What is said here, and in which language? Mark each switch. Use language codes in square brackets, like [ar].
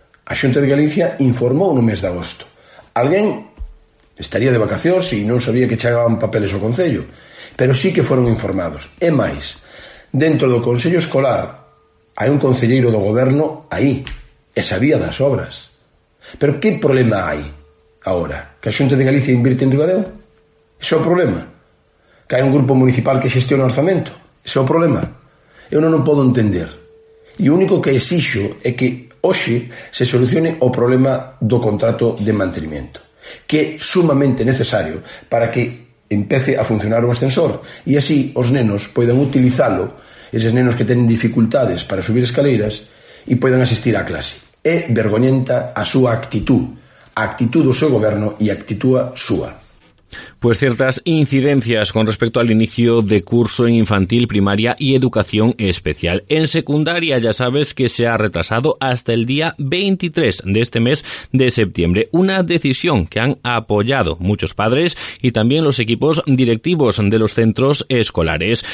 [gl] A Xunta de Galicia informou no mes de agosto. Alguén estaría de vacacións e non sabía que chegaban papeles ao concello, pero sí que foron informados. E máis, dentro do Consello Escolar hai un concelleiro do goberno aí, e sabía das obras. Pero que problema hai agora? Que a Xunta de Galicia invirte en Ribadeo? Ese é o problema. Que hai un grupo municipal que xestiona o orzamento. Ese é o problema. Eu non o podo entender. E o único que exixo é que hoxe se solucione o problema do contrato de mantenimiento, que é sumamente necesario para que empece a funcionar o ascensor e así os nenos poidan utilizalo, eses nenos que teñen dificultades para subir escaleiras, e poidan asistir á clase. É vergoñenta a súa actitud, a actitud do seu goberno e a actitud súa. [es] Pues ciertas incidencias con respecto al inicio de curso en infantil, primaria y educación especial. En secundaria ya sabes que se ha retrasado hasta el día 23 de este mes de septiembre. Una decisión que han apoyado muchos padres y también los equipos directivos de los centros escolares.